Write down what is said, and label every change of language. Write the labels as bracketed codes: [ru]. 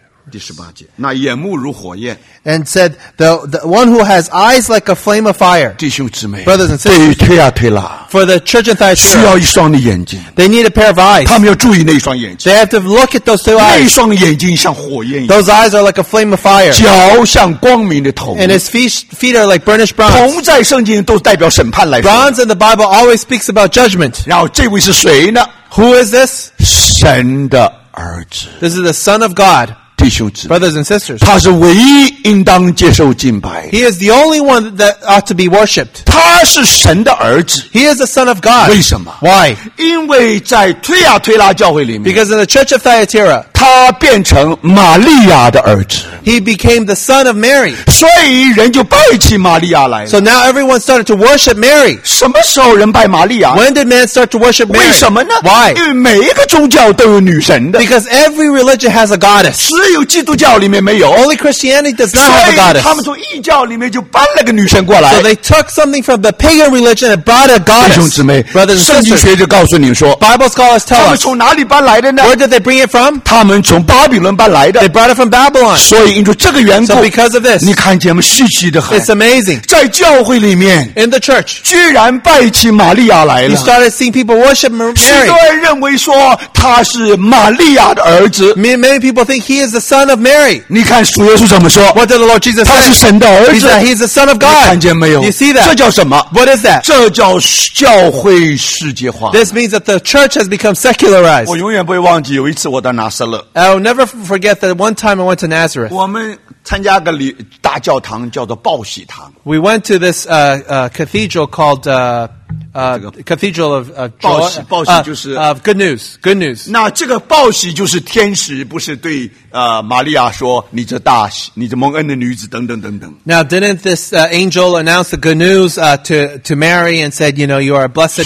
[zh] 第十八节那眼目如火焰 [en] And said the one who has eyes like a flame of fire [zh] 弟兄姊妹 [en] Brothers and sisters [zh] 对推亚推拉 [en] For the church in Thyatira [zh] 需要一双的眼睛 [en] They need a pair of eyes [zh] 他们要注意那双眼睛 [en] They have to look at those two eyes [zh] 那双眼睛像火焰 [en] Those eyes are like a flame of fire [zh] 脚像光明的铜 [en] And his feet are like burnished bronze [zh] 铜在圣经都代表审判来说 [en] Bronze in the Bible always speaks about judgment [zh] 然后这位是谁呢 [en] Who is this? [zh] 神的儿子 [en] This is the son of GodBrothers and sisters, [zh] 他是唯一应当接受敬拜。 [en] He is the only one that ought to be worshipped. [zh] 他是神的儿子。 [en] He is the son of God. [zh] 为什么 [en] ？Why? [zh] 因为在推亚推拉教会里面 [en] ，Because in the Church of Thyatira, [zh] 他变成玛利亚的儿子。 [en] He became the son of Mary. [zh] 所以人就拜起玛利亚来了。 [en] So now everyone started to worship Mary. [zh] 什么时候人拜玛利亚 [en] ？When did man start to worship Mary? [zh] 为什么呢 [en] ？Why? [zh] 因为每一个宗教都有女神的。 [en] Because every religion has a goddess. [zh] 只有基督教里面没有 [en] Only Christianity does not have a goddess [zh] 他们从异教里面就搬了个女神过来 [en] So they took something from the pagan religion and brought a goddess [zh] 弟兄姊妹 [en] Brothers and sisters [zh] 圣经学者告诉你说 [en] Bible scholars tell us [zh] 他们从哪里搬来的呢 [en] Where did they bring it from [zh] 他们从巴比伦搬来的 [en] They brought it from Babylon [zh] 所以因着这个缘故 [en] So because of this [zh] 你看见吗稀奇的很 [en] It's amazing [zh] 在教会里面 [en] In the church [zh] 居然拜起玛利亚来了 [en] You started seeing people worship Mary [zh] 许多人认为说他是玛利亚的儿子 [en] Many people think he isthe son of Mary. [zh] 你看主耶稣怎么说 [en] What did the Lord Jesus say? [zh] 他是神的儿子 [en] He's the son of God. [zh] 你看见没有 [en] You see that? [zh] 这叫什么 [en] What is that? [zh] 这叫教会世界化 [en] This means that the church has become secularized. [zh] 我永远不会忘记有一次我到拿撒勒 [en] I'll never forget that one time I went to Nazareth. [zh] 我们参加个大教堂叫做报喜堂 [en] We went to this cathedral called Cathedral of Joy, [zh] 报喜就是 [en] Good news. [zh] 那这个报喜就是天使不是对玛利亚说你这大喜，你这蒙恩的女子等等等等。 [en] Now didn't this angel announce the good news to Mary and said, you know, you are a blessed woman?